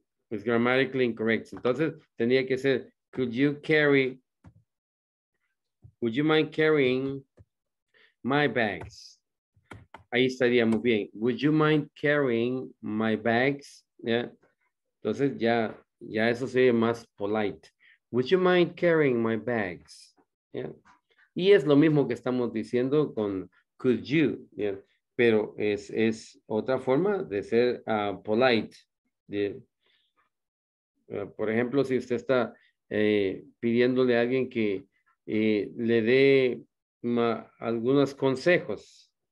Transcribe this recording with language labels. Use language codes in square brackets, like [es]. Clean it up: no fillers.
[en] It's grammatically incorrect. [es] Entonces, tenía que ser, [en] would you mind carrying my bags? [es] Ahí estaría muy bien. [en] Would you mind carrying my bags? Yeah. [es] Entonces ya eso sería más polite. [en] Would you mind carrying my bags? Yeah. [es] Y es lo mismo que estamos diciendo con [en] could you. Yeah. [es] Pero es otra forma de ser polite. [en] Yeah. [es] Por ejemplo, si usted está pidiéndole a alguien que le dé algunos consejos.